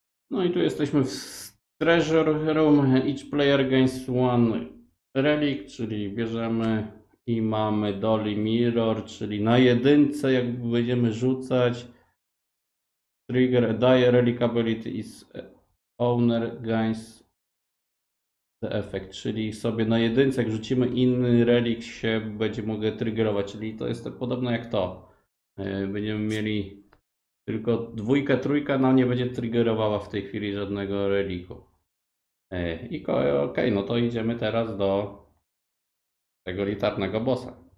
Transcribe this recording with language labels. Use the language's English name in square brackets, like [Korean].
[Polish] No i tu jesteśmy w Treasure Room, [English] each player gains one relic, [Polish] czyli bierzemy. I mamy Dolly Mirror, czyli na jedynce, jakby będziemy rzucać. [English] Trigger die relic ability is owner gains the effect. [Polish] Czyli sobie na jedynce, jak rzucimy inny relik, się będzie mogę triggerować. Czyli to jest podobne jak to. Będziemy mieli tylko dwójkę, trójka nam nie będzie triggerowała w tej chwili żadnego reliku. I okej, no to idziemy teraz do tego elitarnego bossa.